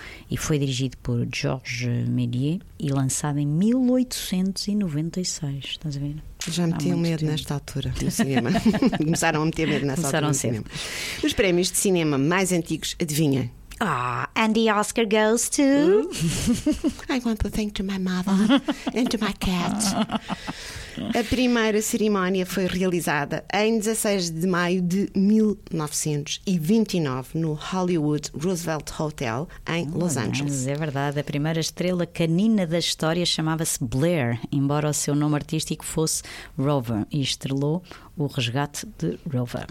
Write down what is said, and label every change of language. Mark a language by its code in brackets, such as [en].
[pt] E foi dirigido por Georges Méliès e lançado em 1896. Estás a ver? Já metiam medo nesta altura do cinema. Começaram a meter medo nesta Começaram altura. Começaram sempre. Cinema. Os prémios de cinema mais antigos, adivinha? [en] Ah, oh, and the Oscar goes to. I want to thank to my mother and to my cat. [pt] A primeira cerimónia foi realizada em 16 de maio de 1929 no Hollywood Roosevelt Hotel em Los Angeles. É verdade, a primeira estrela canina da história chamava-se Blair, embora o seu nome artístico fosse Rover, e estrelou O Resgate de Rover.